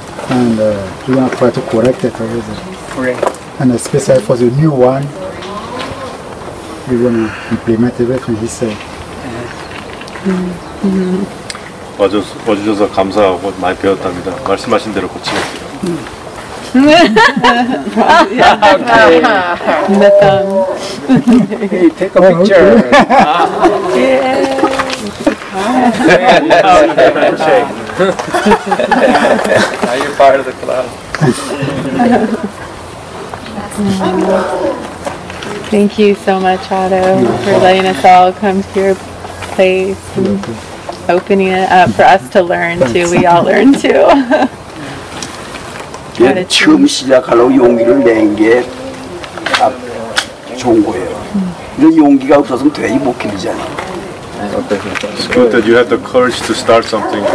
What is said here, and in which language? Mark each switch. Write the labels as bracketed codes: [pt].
[en] And we want to try to correct it. Correct. And especially for the new one, we want to implement everything he said. Mm-hmm. [ko] 와주셔서 감사하고 많이 배웠답니다. 말씀하신 대로 고치겠습니다. [en] Take a picture. Yeah. Now you're part of the club. Thank you so much, Otto, for letting us all come to your place and opening it up for us to learn too. We all learn too. [ko] 예, 처음 시작하려고 용기를 낸 게 좋은 거예요. 이런 용기가 없었으면 되게 못 키우잖아요. [en] It's good that you had the courage to start something.